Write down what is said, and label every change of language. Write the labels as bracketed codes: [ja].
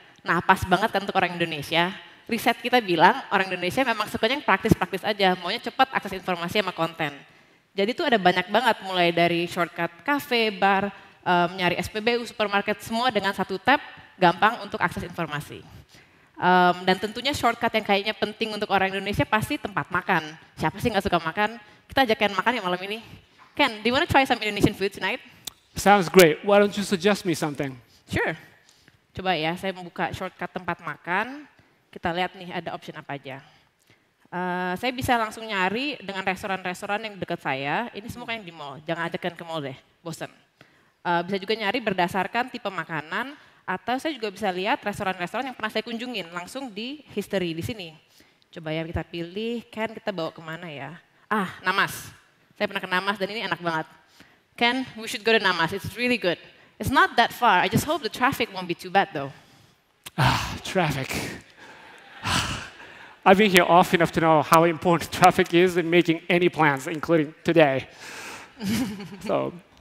[id] Nah, pas banget kan untuk orang Indonesia. Riset kita bilang orang Indonesia memang sukanya yang praktis-praktis aja, maunya cepat akses informasi sama konten. Jadi tuh ada banyak banget, mulai dari shortcut kafe, bar, nyari SPBU, supermarket, semua dengan satu tap, gampang untuk akses informasi. Dan tentunya shortcut yang kayaknya penting untuk orang Indonesia pasti tempat makan. Siapa sih nggak suka makan? Kita ajak Ken makan ya malam ini. [en] Ken, do you want to try some Indonesian food tonight? Sounds great. Why don't you suggest me something? Sure. [id] Coba ya, saya membuka shortcut tempat makan. Kita lihat nih ada option apa aja. Saya bisa langsung nyari dengan restoran-restoran yang dekat saya. Ini semua kayak di mall. Jangan ajak Ken ke mall deh, bosen. Bisa juga nyari berdasarkan tipe makanan. Atau saya juga bisa lihat restoran-restoran yang pernah saya kunjungin langsung di history di sini. Coba ya kita pilih, Ken kita bawa kemana ya. Ah, Namas. Saya pernah ke Namas dan ini enak banget. [en] Ken, we should go to Namas, it's really good. It's not that far, I just hope the traffic won't be too bad though. Ah, traffic. I've been here often enough to know how important traffic is in making any plans, including today. So.